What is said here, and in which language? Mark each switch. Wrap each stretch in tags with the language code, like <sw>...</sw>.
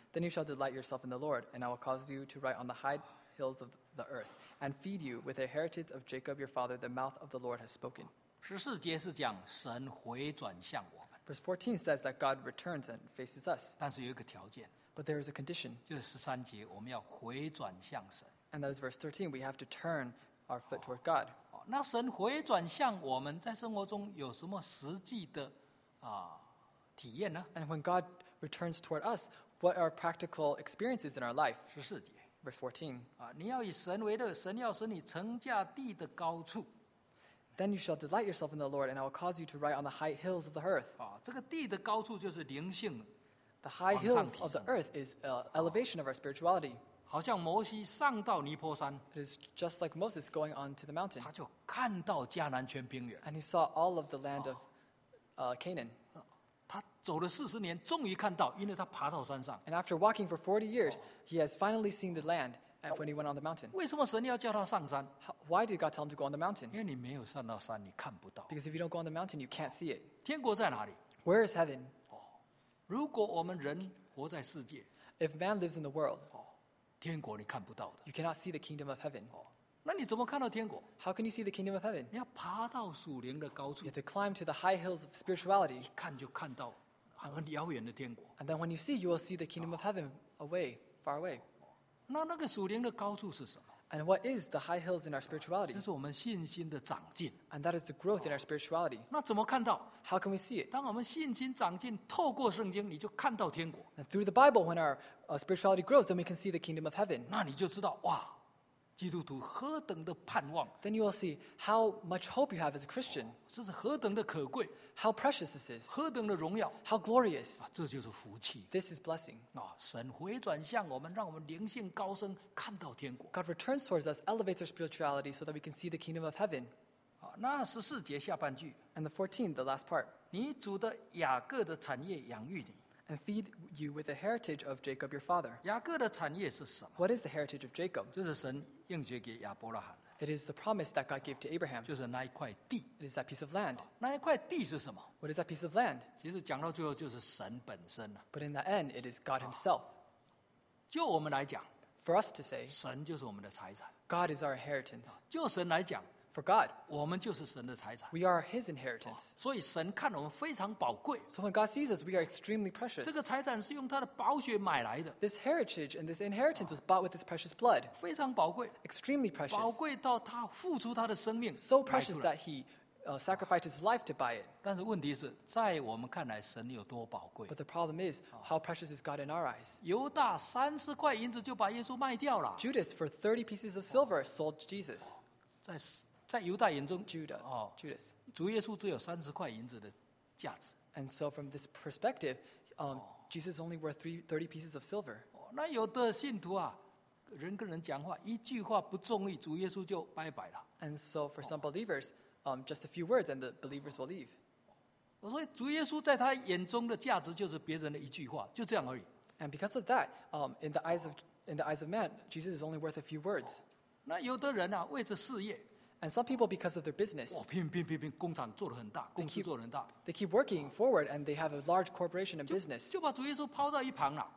<en>Then you shall delight yourself in the Lord, and I will cause you to ride on the high hills of the earth, and feed you with the heritage of Jacob your father, the mouth of the Lord has spoken.</en> <zh>14节是讲神回转向我们。</zh> <en>Verse 14 says that God returns and faces us.</en> <zh>但是有一个条件。</zh> <en>But there is a condition.</en> <zh>就是13节我们要回转向神。</zh> <en>And that is verse 13. We have to turn our foot toward God.</en> <zh>那神回转向我们在生活中有什么实际的体验呢？</zh> <en>And when God returns toward us, what are practical experiences in our life?</en> <zh>14节。</zh> <en>Verse 14.</en> <zh>你要以神为乐，神要使你成家地的高处。</zh> <en>Then you shall delight yourself in the Lord, and I will cause you to ride on the high hills of the earth.</en> <zh>这个地的高处就是灵性。</zh> <en>The high hills of the earth is elevation of our spirituality.</en> <zh>好像摩西上到尼坡山。</zh> <en>It is just like Moses going on to the mountain.</en> <zh>他就看到迦南全平原。</zh> <en>And he saw all of the land of Canaan.</en> <zh>他走了40年，终于看到，因为他爬到山上。</zh> <en>And after walking for 40 years, he has finally seen the land when he went on the mountain.</en> <zh>为什么神要叫他上山？</zh> <en>Why did God tell him to go on the mountain?</en> <zh>因为你没有上到山，你看不到。</zh> <en>Because if you don't go on the mountain, you can't see it.</en> <zh>天国在哪里？</zh> <en>Where is heaven?</en> <zh>如果我们人活在世界，</zh> <en>If man lives in the world,</en> <zh>天国你看不到的。</zh> <en>You cannot see the kingdom of heaven.</en> <zh>那你怎么看到天国？</zh> <en>How can you see the kingdom of heaven?</en> <zh>你要爬到属灵的高处。</zh> <en>You have to climb to the high hills of spirituality.</en> <zh>一看就看到很遥远的天国。</zh> <en>And then when you see, you will see the kingdom of heaven away, far away.</en> <zh>那个属灵的高处是什么？</zh> <en>And what is the high hills in our spirituality?</en> <zh>就是我们信心的长进。</zh> <en>And that is the growth in our spirituality.</en> <zh>那怎么看到？</zh> <en>How can we see it?</en> <zh>当我们信心长进，透过圣经，你就看到天国。</zh> <en>And through the Bible, when our spirituality grows, then we can see the kingdom of heaven.</en> <zh>那你就知道，哇，基督徒何等的盼望。</zh> <en>Then you will see how much hope you have as a Christian.</en> <zh>这是何等的可贵。</zh> <en>How precious this is.</en> <zh>何等的荣耀。</zh> <en>How glorious.</en> <zh>这就是福气。</zh> <en>This is blessing.</en> <zh>神回转向我们，让我们灵性高升，看到天国。</zh> <en>God returns towards us, elevates our spirituality so that we can see the kingdom of heaven.</en> <zh>那14节下半句。</zh> <en>And the 14, the last part.</en> <zh>你主的雅各的产业养育你。</zh> <en>And feed you with the heritage of Jacob your father.</en> <zh>雅各的产业是什么？</zh> <en>What is the heritage of Jacob?</en> <zh>就是神应许给亚伯拉罕。</zh> <en>It is the promise that God gave to Abraham.</en> <zh>就是那一块地。</zh> <en>It is that piece of land.</en> <zh>那一块地是什么？</zh> <en>What is that piece of land?</en> <zh>其实讲到最后就是神本身。</zh> <en>But in the end, it is God himself.</en> <zh>就我们来讲。</zh> <en>For us to say.</en> <zh>神就是我们的财产。</zh> <en>God is our inheritance.</en> <zh>就神来讲。</zh> <en>For God,</en> <zh>我们就是神的财产。</zh> <en>We are His inheritance.</en> <zh>所以神看我们非常宝贵。</zh> <en>So when God sees us, we are extremely precious.</en> <zh>这个财产是用他的宝血买来的。</zh> <en>This heritage and this inheritance was bought with His precious blood.</en> <zh>非常宝贵。</zh> <en>Extremely precious.</en> <zh>宝贵到他付出他的生命。</zh> <en>So precious that He sacrificed His life to buy it.</en> <zh>但是问题是，在我们看来，神有多宝贵。</zh> <en>But the problem is, how precious is God in our eyes?</en> <zh>犹大30块银子就把耶稣卖掉了。</zh> <en>Judas for 30 pieces of silver sold Jesus.</en> <zh>在犹大眼中</zh> <en>Judas,</en> <zh>主耶稣只有30块银子的价值。</zh> <en>And so from this perspective, Jesus only worth 30 pieces of silver.</en> <zh>那有的信徒啊，人跟人讲话，一句话不中意，主耶稣就拜拜了。</zh> <en>And so for some believers, just a few words and the believers will leave.</en> <zh>所以主耶稣在他眼中的价值就是别人的一句话，就这样而已。</zh> <en>And because of that, in the eyes of man, Jesus is only worth a few words.</en> <zh>那有的人啊, 为着事业,</zh> <en>and some people, because of their business,</en> <zh>哇,拼,拼,拼, 工厂做得很大,</zh> <en>they keep working forward and they have a large corporation and business.</en> <zh>就把主耶稣抛到一旁了,</zh>